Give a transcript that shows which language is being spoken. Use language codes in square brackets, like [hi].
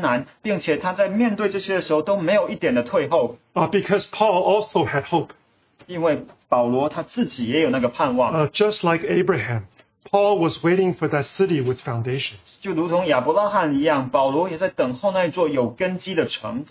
[zh] 那在我们这个一路上就想，我也就想到保罗他要经历多少的艰难，并且他在面对这些的时候都没有一点的退后。 [en] Because Paul also had hope. [zh] 因为保罗他自己也有那个盼望。 [en] Just like Abraham, Paul was waiting for that city with foundations. [zh] 就如同亚伯拉罕一样，保罗也在等候那座有根基的城。